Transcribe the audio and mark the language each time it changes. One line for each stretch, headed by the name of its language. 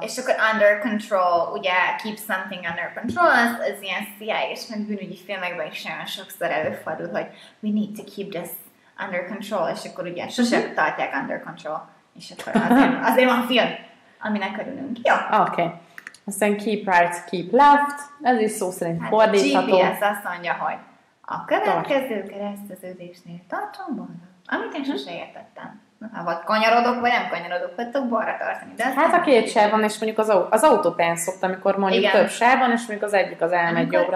Hungarian: És akkor under control, ugye,
English: keep something under control,
Hungarian: az ilyen CIA és meg bűnügyi filmekben is nagyon sokszor előfordul, hogy
English: we need to keep this under control,
Hungarian: és akkor ugye sosem tartják under control, és akkor azért van film, aminek örülünk. Jó.
English: Okay.
Hungarian: Aztán keep right, keep left. Ez is szó szerint fordítható. A GPS azt mondja, hogy a következő kereszteződésnél tartom balra. Amit én sose értettem. Na, vagy kanyarodok, vagy nem kanyarodok, vagy tudok balra tartani. De hát a két sáv van, és mondjuk az autópályán szoktam, amikor mondjuk igen. Több sáv van, és mondjuk az egyik az elmegy jobbra.